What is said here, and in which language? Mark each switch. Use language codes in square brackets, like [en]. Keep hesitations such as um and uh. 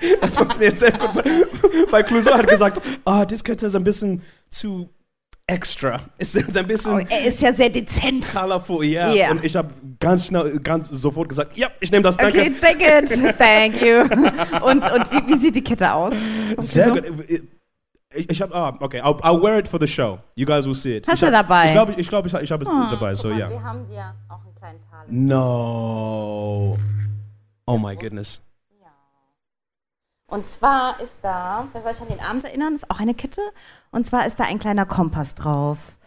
[de] Das funktioniert sehr gut. Weil Clouseau hat gesagt, ah, das Kette ist ein bisschen zu extra. Es ist ein bisschen Oh, er ist ja sehr dezent. colorful, ja. Ja. Und ich habe ganz schnell, ganz sofort gesagt, ja, ich nehme das, danke. [en] Okay, take it. Thank you. [de] Und, und wie, wie sieht die Kette aus? Sehr gut. Ich, ich habe, [en] ah, okay, I'll, I'll wear it for the show. You guys will see it. [de] Hast ich du hab- dabei? Ich glaube, ich, glaub, ich, ich habe es dabei, so ja. Wir haben dir auch einen kleinen Talisman. [en] No. Oh my goodness. [de] Und zwar ist da, Da soll ich an den Abend erinnern, ist auch eine Kette. Und zwar ist da ein kleiner Kompass drauf.